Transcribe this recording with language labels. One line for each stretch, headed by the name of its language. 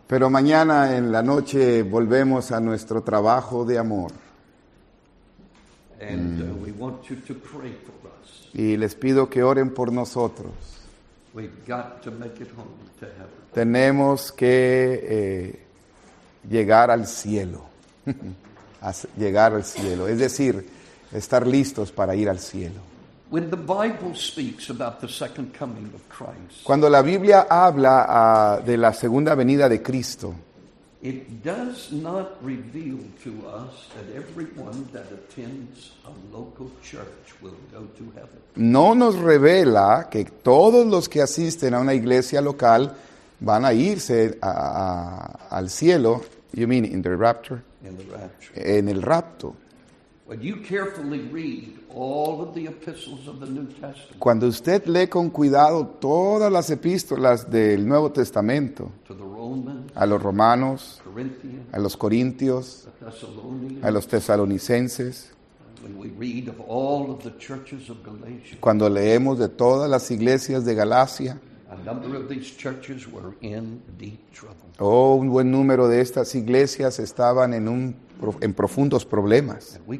Spanish: Pero mañana en la noche volvemos a nuestro trabajo de amor.
English: And we want you to pray for us.
Spanish: Y les pido que oren por nosotros.
English: We've got to make it home to heaven.
Spanish: Tenemos que llegar al cielo. Llegar al cielo. Es decir, estar listos para ir al cielo.
English: When the Bible speaks about the second coming of Christ,
Spanish: cuando la Biblia habla de la segunda venida de Cristo,
English: It does not reveal to us that everyone that attends a local church will go to heaven.
Spanish: No nos revela que todos los que asisten a una iglesia local van a irse al cielo.
English: You mean in the rapture? In the rapture.
Spanish: En el rapto.
English: When you carefully read all of the epistles of the New Testament,
Spanish: cuando usted lee con cuidado todas las epístolas del Nuevo Testamento,
English: to the Romans,
Spanish: a los romanos,
English: Corinthians,
Spanish: a los corintios,
English: the Thessalonians,
Spanish: a los tesalonicenses,
English: when we read of all of the churches of Galatia,
Spanish: cuando leemos de todas las iglesias de Galacia,
English: a number of these churches were in deep trouble.
Spanish: Oh, un buen número de estas iglesias estaban en profundos problemas.